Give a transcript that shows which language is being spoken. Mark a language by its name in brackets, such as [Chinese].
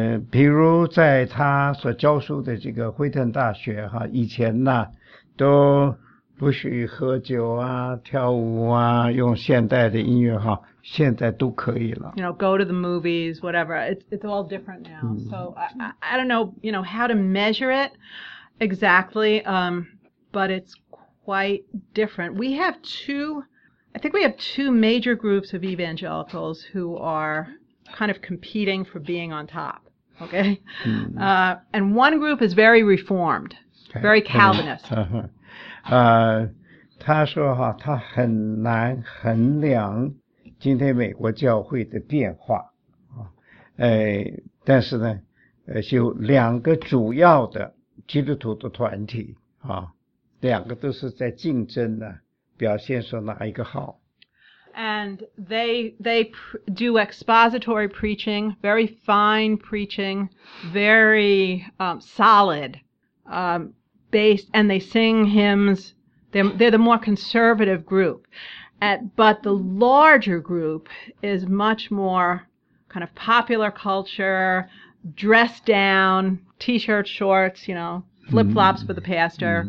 [Chinese] 比如在他所教授的这个惠特大学哈，以前呢，都不许喝酒啊，跳舞啊，用现代的音乐哈。现在都可以了。 [English] You know, go to the movies, whatever. It's all different now. So I don't know, you know, how to measure it exactly, but it's quite different. I think we have two major groups of evangelicals who are kind of competing for being on top, okay? And one group is very reformed, very Calvinist. [Chinese] 他说哈，他很难衡量今天美国教会的变化，但是呢，有两个主要的基督徒的团体啊，两个都是在竞争呢，表现说哪一个好。 [English] And they do expository preaching, very fine preaching, very solid. based, and they sing hymns. They're the more conservative group. But the larger group is much more kind of popular culture, dressed down, T-shirt, shorts, you know, flip-flops for the pastor.